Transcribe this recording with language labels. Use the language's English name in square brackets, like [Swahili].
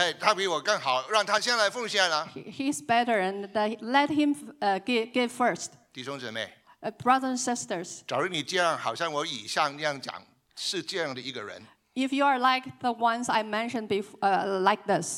[Chinese] 他比我更好, 让他先来奉献了。 [English] He's better and let him give first. [Chinese] 弟兄姊妹, [English] brothers and sisters. [Chinese] 假如你这样, 好像我以上那样讲, 是这样的一个人。 [English] If you are like the ones I mentioned before, like this,